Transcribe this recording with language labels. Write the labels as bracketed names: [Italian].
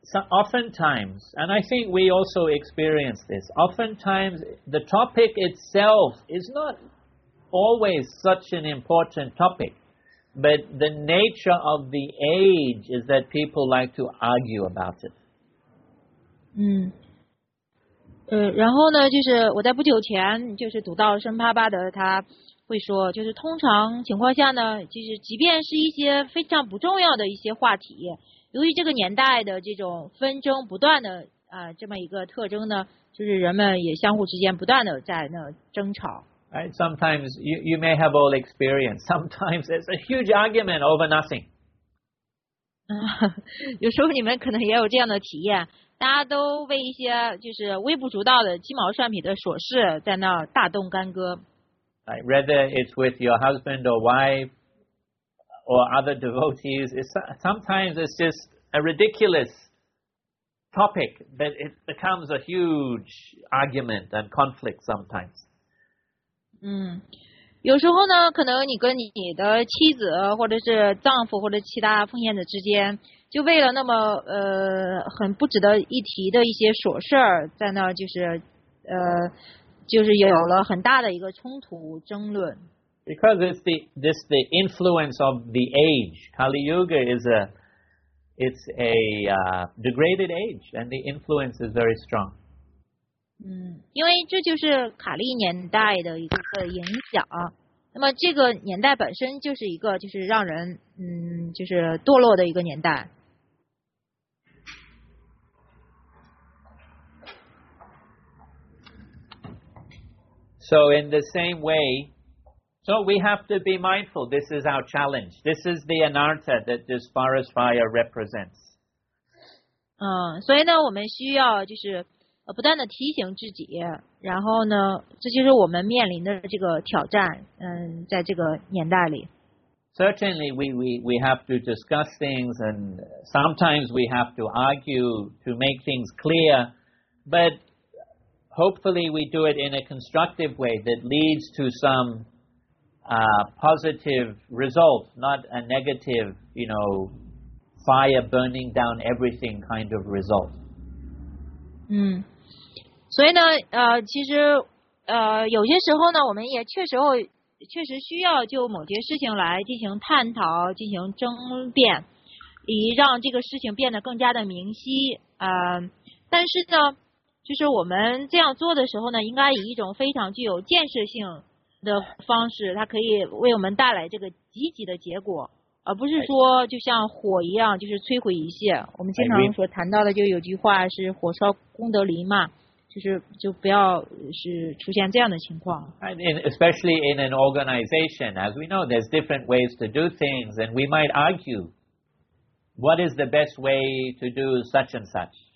[English] oftentimes, and I think we also experience this, oftentimes the topic itself is not always such an important topic, but the nature of the age is that people like to argue about it. [Chinese] 然后呢，就是我在不久前就是读到申帕巴德，他会说，就是通常情况下呢，就是即便是一些非常不重要的一些话题，由于这个年代的这种纷争不断的啊、这么一个特征呢，就是人们也相互之间不断的在那争吵。 [English] Right, sometimes you may have all experienced. Sometimes it's a huge argument over nothing. [Chinese] 有时候你们可能也有这样的体验。大家都为一些就是微不足道的鸡毛蒜皮的琐事在那大动干戈。 [English] Like, whether it's with your husband or wife or other devotees, it's sometimes it's just a ridiculous topic, but it becomes a huge argument and conflict sometimes. [Chinese] 有时候呢，可能你跟你的妻子或者是丈夫或者其他奉献者之间，就为了那么很不值得一提的一些琐事儿，在那就是就是有了很大的一个冲突争论。 [English] Because it's the influence of the age. Kali Yuga is a degraded age, and the influence is very strong. [Chinese] 因为这就是卡利年代的一个影响。那么这个年代本身就是一个就是让人就是堕落的一个年代。 [English] So in the same way, so we have to be mindful. This is our challenge. This is the anartha that this forest fire represents. [Chinese] 所以呢，我们需要就是不断的提醒自己，然后呢，这就是我们面临的这个挑战。在这个年代里。 [English] Certainly, we have to discuss things, and sometimes we have to argue to make things clear, but hopefully we do it in a constructive way that leads to some positive result, not a negative, you know, fire burning down everything kind of result. [Chinese] 所以呢，其实有些时候呢，我们也确实需要就某些事情来进行探讨，进行争辩，以让这个事情变得更加的明晰。但是呢，就是我们这样做的时候呢，应该以一种非常具有建设性的方式，它可以为我们带来这个积极的结果，而不是说就像火一样，就是摧毁一切。我们经常所谈到的，就有句话是“火烧功德林”嘛，就是就不要是出现这样的情况。 [English] Especially in an organization, as we know, there's different ways to do things, and we might argue what is the best way to do such and such.